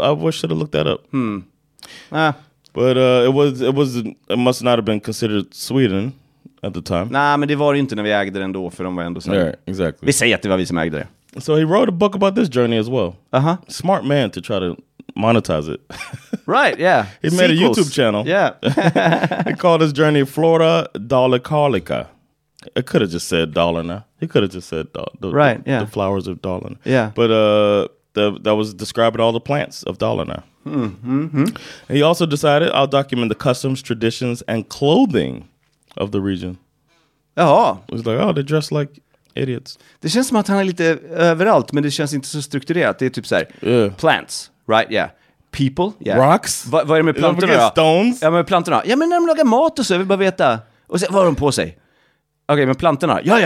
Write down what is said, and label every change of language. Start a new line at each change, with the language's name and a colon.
English: I wish I should have looked that up. But it must not have been considered Sweden at the time.
Swedish: Nah, men det var det inte när vi ägde den då, för de var ändå så.
English: Yeah, exactly.
Swedish: Vi säger att det var vi som ägde det.
English: So he wrote a book about this journey as well. Uh-huh. Smart man to try to monetize it. Right, yeah. He made sequels. A YouTube channel. Yeah. He called his journey Flora Dalekarlika. It could have just said Dalarna. He could have just said the flowers of Dalarna. Yeah. But that was describing all the plants of Dalarna. Mm-hmm. He also decided, I'll document the customs, traditions, and clothing of the region.
Swedish: Jaha.
English: He was like, oh, they dress like idiots.
Swedish: Det känns som att han är lite överallt, men det känns inte så strukturerat. Det är typ så här,
English: plants, right? Yeah. People, yeah. Rocks?
Swedish: Vad är det med plantorna?
English: Stones?
Swedish: Ja, med plantorna. Ja, men när de lagar mat och så, jag vill bara veta. Och så, vad har de på sig? Okej, men plantorna.